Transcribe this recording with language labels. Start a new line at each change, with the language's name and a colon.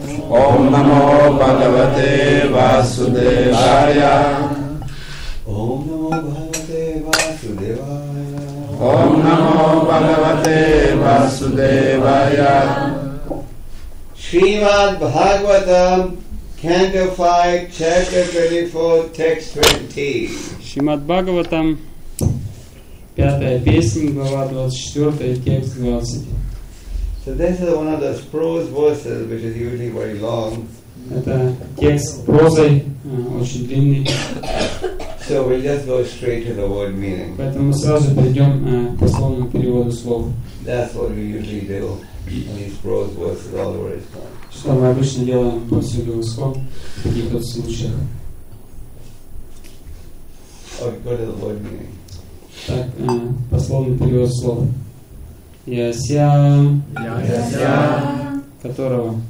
Sanskrit: Ом намо Бхагавате Васудевая.
English: Шримад Бхагаватам, Canto 5, Chapter 24, Text 20.
Russian: Шримад Бхагаватам, 5 песня, глава 24, текст 20.
English: So this is one of those prose verses which is usually very long.
Russian: Это текст прозы, очень длинный.
English: So we'll just go straight to the word meaning.
Russian: Поэтому мы сразу перейдем к дословному переводу слов.
English: That's what we usually do in these prose verses, all the words.
Russian: Что мы обычно делаем повсюду слов, в каких-то случаях.
English: Okay, go to the word meaning.
Russian: Так, дословный перевод слов.
Sanskrit: Яся. Яся.
Russian: Которого?